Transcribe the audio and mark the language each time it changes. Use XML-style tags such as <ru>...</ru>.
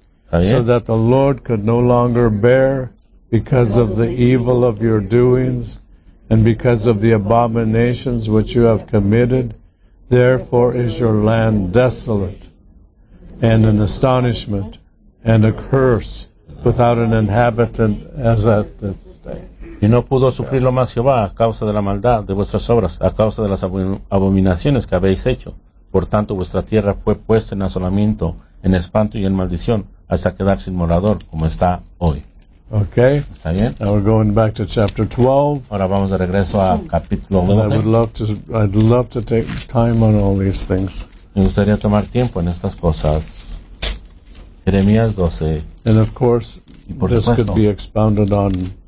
<en>So that the Lord could no longer bear because of the evil of your doings and because of the abominations which you have committed, therefore is your land desolate and an astonishment and a curse without an inhabitant as at this day.</en> <es>Y no pudo sufrirlo más Jehová a causa de la maldad de vuestras obras, a causa de las abominaciones que habéis hecho. Por tanto, vuestra tierra fue puesta en asolamiento, en espanto y en maldición, hasta quedar sin morador, como está hoy.</es> <en>Okay.</en> <es>¿Está bien?</es> <en>Now we're going back to chapter 12.</en> <es>Ahora vamos de regreso a capítulo 12.</es> <en>I'd love to take time on all these things.</en> <es>Me gustaría tomar tiempo en estas cosas. Jeremías 12.</es> <en>And of course, this could be expounded on</en>